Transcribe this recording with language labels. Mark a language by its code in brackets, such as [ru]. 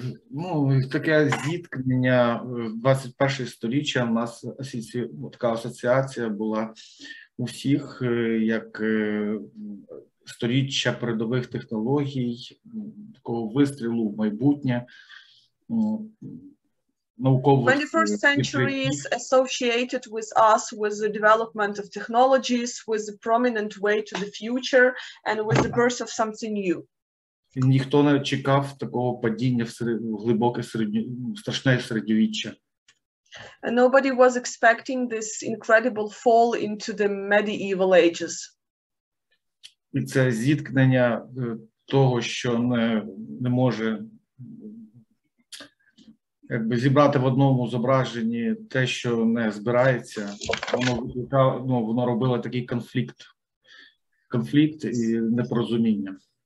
[uk] Ну, таке зіткнення 21-го століття, у нас така асоціація була у всіх, як сторіччя передових технологій, такого вистрілу в майбутнє, наукових... [en] 21st century is associated with us, with the development of technologies, with the prominent way to the future, and with the birth of something new. [uk] Ніхто не чекав такого падіння в глибоке середньо... страшне середньовіччя. [en] And nobody was expecting this incredible fall into the medieval ages. [uk] І це зіткнення того, що не може якби зібрати в одному зображенні те, що не збирається, воно робило такий конфлікт і непорозуміння.